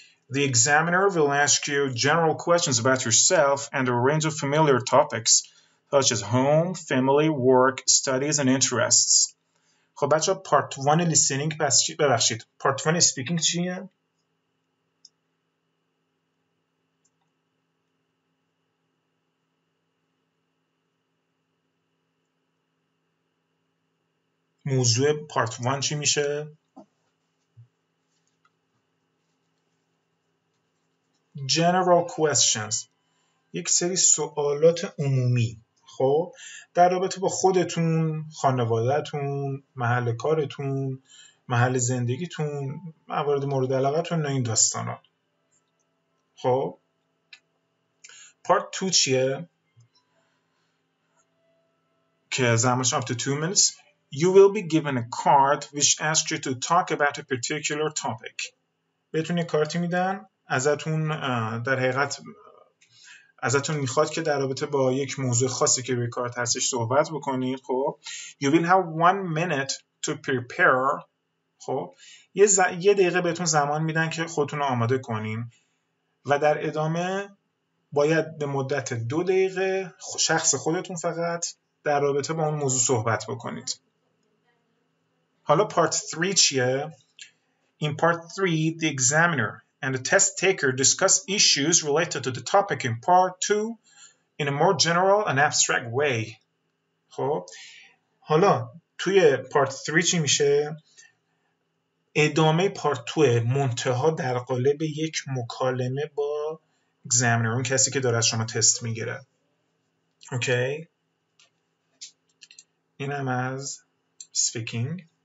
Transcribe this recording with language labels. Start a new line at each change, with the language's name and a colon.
English: The examiner will ask you general questions about yourself and a range of familiar topics, such as home, family, work, studies, and interests.
Persian: خب بچه
English: part one listening
Persian: ببخشید.
English: Part one speaking
Persian: چیه؟ موضوع پارت 1 چی میشه؟
English: General questions،
Persian: یک سری سوالات عمومی. خب در رابطه با خودتون، خانوادتون، محل کارتون، محل زندگیتون، موارد مورد علاقتون، این داستانا. خب پارت 2 چیه؟ که زمانش
English: up to 2 minutes. You will be given a card which asks you to talk about a particular topic.
Persian: بهتون یک کارتی میدن، ازتون در حقیقت ازتون میخواد که در رابطه با یک موضوع خاصی که روی کارت هستش صحبت بکنید.
English: خب you will have one minute to prepare.
Persian: خب یه دقیقه بهتون زمان میدن که خودتون رو آماده کنین و در ادامه باید به مدت 2 دقیقه شخص خودتون فقط در رابطه با اون موضوع صحبت بکنید. حالا پارت 3 چیه؟
English: In part 3, the examiner and the test taker discuss issues related to the topic in part 2 in a more general and abstract way.
Persian: خب حالا توی پارت 3 چی میشه؟ ادامه پارت 2 منتها در قالب یک مکالمه با examiner، اون کسی که داره از شما تست میگیره. اوکی؟ اینم از speaking.